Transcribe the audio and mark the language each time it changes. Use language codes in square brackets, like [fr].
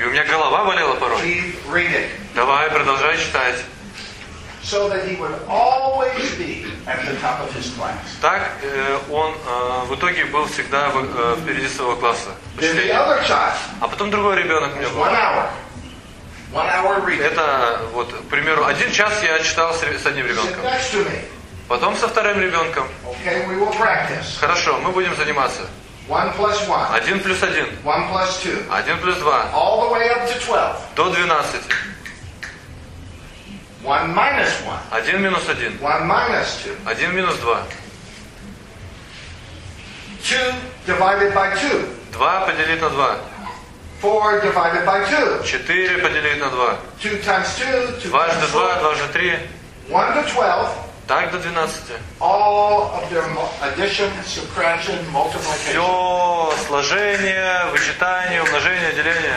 [ru] И у меня голова болела порой. [en] Keep reading. [ru] Давай, продолжай читать. [en] So that he would always be at the top of his class. [ru] Так он в итоге был всегда впереди своего класса. [en] Then the other child, [ru] а потом другой ребенок у меня был. [en] One hour reading. [ru] Это вот, к примеру, один час я читал с одним ребенком. Потом со вторым ребенком. [en] Okay, we will practice. [ru] Хорошо, мы будем заниматься. [en] One plus one. [ru] Один плюс один. [en] One plus two. [ru] Один плюс два. [en] All the way up to 12. [ru] До 12. [en] One minus one. [ru] Один минус один. [en] One minus two. [ru] Один минус два. [en] Two divided by two. [ru] Два поделить на два. [en] Four divided by two. [ru] Четыре поделить на два. [en] Two times two. [ru] Дважды два, дважды три. [en] One to 12. [ru] Так до 12. [en] All of their addition, subtraction, multiplication. [ru] Все сложение, вычитание, умножение, деление.